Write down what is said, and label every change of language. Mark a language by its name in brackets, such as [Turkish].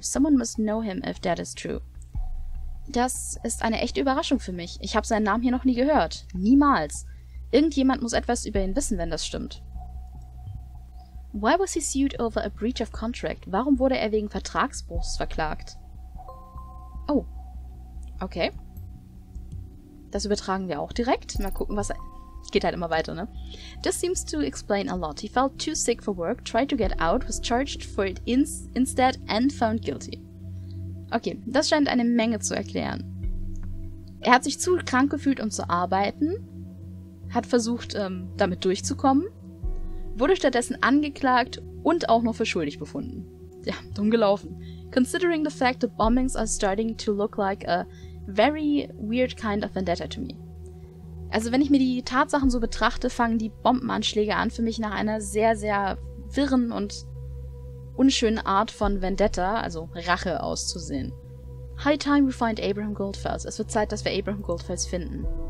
[English] Someone must know him if that is true. [German] Das ist eine echte Überraschung für mich. Ich habe seinen Namen hier noch nie gehört. Niemals. Irgendjemand muss etwas über ihn wissen, wenn das stimmt. [English] Why was he sued over a breach of contract? [German] Warum wurde er wegen Vertragsbruchs verklagt? [English] Oh. Okay. [German] Das übertragen wir auch direkt. Mal gucken, was... Geht halt immer weiter, ne? [English] This seems to explain a lot. He felt too sick for work, tried to get out, was charged for it instead and found guilty. [German] Okay, das scheint eine Menge zu erklären. Er hat sich zu krank gefühlt, um zu arbeiten, hat versucht, damit durchzukommen, wurde stattdessen angeklagt und auch noch für schuldig befunden. Ja, dumm gelaufen. [English] Considering the fact that bombings are starting to look like a very weird kind of vendetta to me. [German] Also, wenn ich mir die Tatsachen so betrachte, fangen die Bombenanschläge an für mich nach einer sehr, sehr wirren und unschönen Art von Vendetta, also Rache, auszusehen. [English] High time we find Abraham Goldfels. [German] Es wird Zeit, dass wir Abraham Goldfels finden.